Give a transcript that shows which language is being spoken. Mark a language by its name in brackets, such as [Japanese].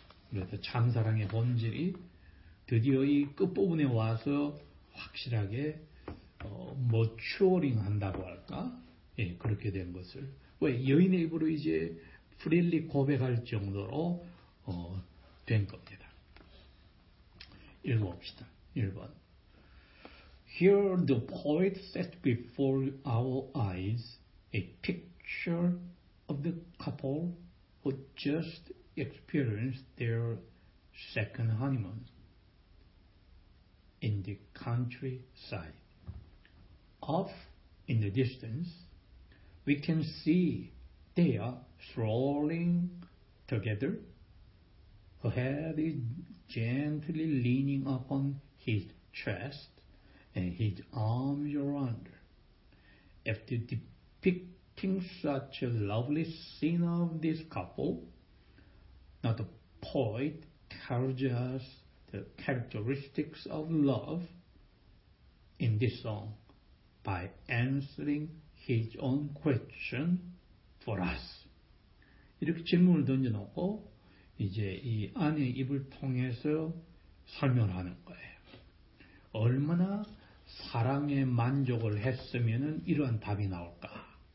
[Korean] 그래서 참 사랑의 본질이 드디어 이 끝부분에 와서 확실하게 머추어링 한다고 할까? 예, 그렇게 된 것을. 왜 여인의 입으로 이제 프릴리 고백할 정도로 된 겁니다. 읽어봅시다. 1번. [English] Here the poet set before our eyes a picture of the couple who just experienced their second honeymoon in the countryside. Off in the distance, we can see they are strolling together. Her head is gently leaning upon his chest and his arms around her. After depicting such a lovely scene of this couple, now the poet tells us the characteristics of love in this song by answering his own question for us. [Korean] 이렇게 질문을 던져놓고 이제 이 아내의 입을 통해서 설명을 하는 거예요. 얼마나 사랑에 만족을 했으면 이러한 답이 나올까?